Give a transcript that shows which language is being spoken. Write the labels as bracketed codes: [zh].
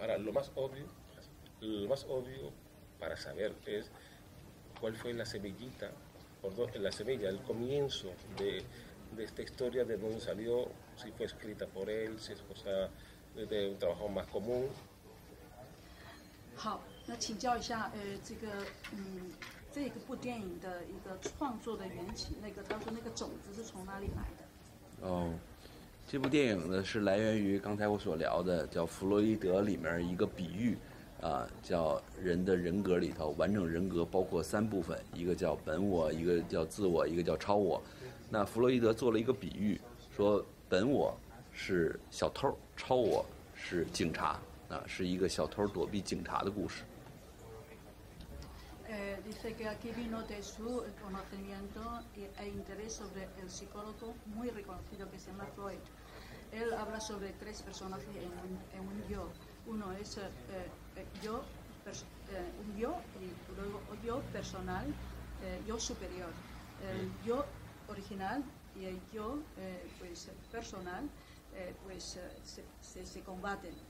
[es] Ahora, lo más obvio para saber es cuál fue la semillita, perdón, la semilla, el comienzo de esta historia, de dónde salió, si fue escrita por él, si es cosa de un trabajo más común. [zh] 好，那请教一下，这个，这个部电影的一个创作的缘起，那个他说那个种子是从哪里来的？哦，这部电影呢是来源于刚才我所聊的叫弗洛伊德里面一个比喻，啊，叫人的人格里头完整人格包括三部分，一个叫本我，一个叫自我，一个叫超我。那弗洛伊德做了一个比喻，说本我是小偷，超我是警察。是一个小偷躲避警察的故事。 [es] Dice que aquí vino de su conocimiento e interés sobre el psicólogo muy reconocido que se llama Freud. Él habla sobre tres personajes en un yo. Uno es un yo y luego yo personal, yo superior, yo original y el yo pues personal pues se combaten.